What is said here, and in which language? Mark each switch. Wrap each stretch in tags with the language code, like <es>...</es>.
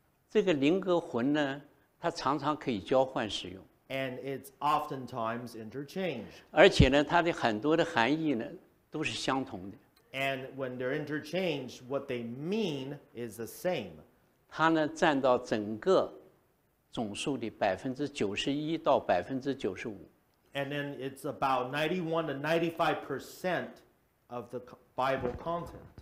<zh>这个灵和魂呢, 它常常可以交换使用。</zh> <en>And it's oftentimes interchanged.</en> <zh>而且呢, 它的很多的含义呢, 都是相同的。</zh> <en>And when they're interchanged, what they mean is the same.</en> <zh>它呢占到整个总数的91%到95%。</zh> <en>And then it's about 91 to 95% of the Bible content.</en>